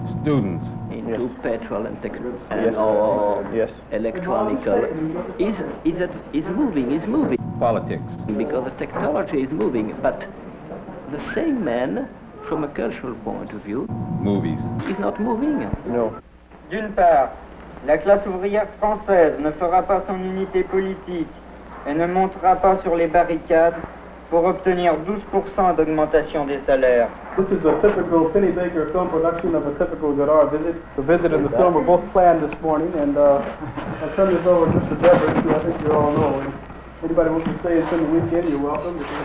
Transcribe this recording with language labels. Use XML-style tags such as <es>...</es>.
<en>students into petrol and electronical, is moving. Politics. Because the technology is moving, but the same man, from a cultural point of view, movies, is not moving. No.</en> <fr>D'une part, la classe ouvrière française ne fera pas son unité politique et ne montera pas sur les barricades pour obtenir 12% d'augmentation des salaires.</fr> <en>This is a typical Pennebaker film production of a typical Godard visit. The visit and the film were both planned this morning, and I'll turn this over to Mr. Devers, who I think you all know. And anybody wants to say it's in the weekend, you're welcome.</en>